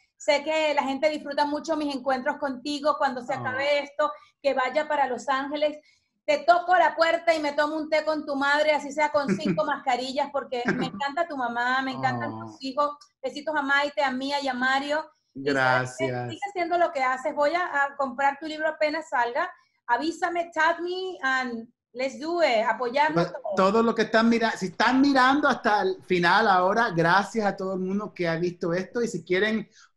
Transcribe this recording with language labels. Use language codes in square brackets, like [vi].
[es] Sé que la gente disfruta mucho mis encuentros contigo cuando se acabe esto, que vaya para Los Ángeles. Te toco la puerta y me tomo un té con tu madre, así sea con 5 mascarillas, porque me encanta tu mamá, me encantan tus hijos. Besitos a Maite, a Mía y a Mario. Gracias. Y sigue haciendo lo que haces. Voy a comprar tu libro apenas salga. Avísame, [en] tag me, and let's do it. [es] Apoyarnos. Pues, todo lo que están mirando, si están mirando hasta el final ahora, gracias a todo el mundo que ha visto esto. Y si quieren...